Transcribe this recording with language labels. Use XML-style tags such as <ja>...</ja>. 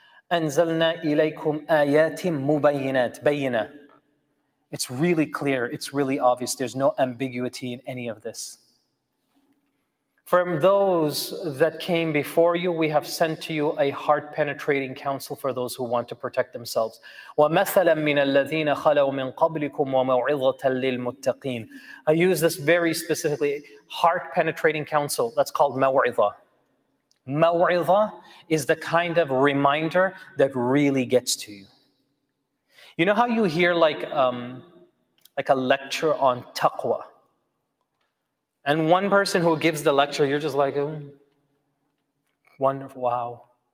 <ar>أَنزَلْنَا إِلَيْكُمْ آيَاتٍ مُبَيِّنَاتٍ. بَيِّنَا.</ar> <en>It's really clear, it's really obvious. There's no ambiguity in any of this. From those that came before you, we have sent to you a heart-penetrating counsel for those who want to protect themselves.</en> <ar>وَمَثَلًا مِنَ الَّذِينَ خَلَوْا مِنْ قَبْلِكُمْ وَمَوْعِظَةً لِلْمُتَّقِينَ.</ar> <en>I use this very specifically, heart-penetrating counsel. That's called maw'idha. Maw'idha is the kind of reminder that really gets to you. You know how you hear like a lecture on taqwa? And one person who gives the lecture, you're just like, oh, wonderful, wow.</en>